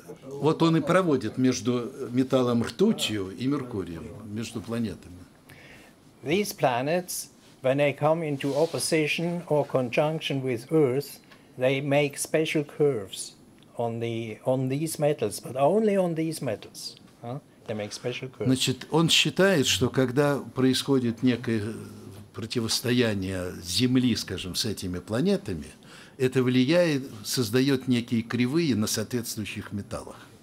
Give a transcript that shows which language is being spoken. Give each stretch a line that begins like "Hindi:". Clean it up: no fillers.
Russian: Вот он и проводит между металлом ртутью и Меркурием, между планетами.
English: These planets, when they come into opposition or conjunction with Earth, they make special curves on these metals, but only on these metals. They make special curves.
Russian: Значит, он считает, что когда происходит некое противостояние Земли, скажем, с этими планетами, это влияет, создает некие кривые на соответствующих металлах.